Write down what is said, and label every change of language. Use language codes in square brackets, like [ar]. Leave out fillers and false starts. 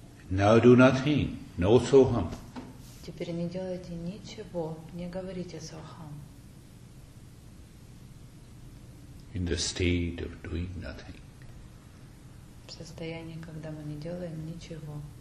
[en] Now do nothing, no soham. [ru] Теперь не делайте ничего, не говорите сохам. [en] In the state of doing nothing. [ru] В состоянии, когда мы не делаем ничего.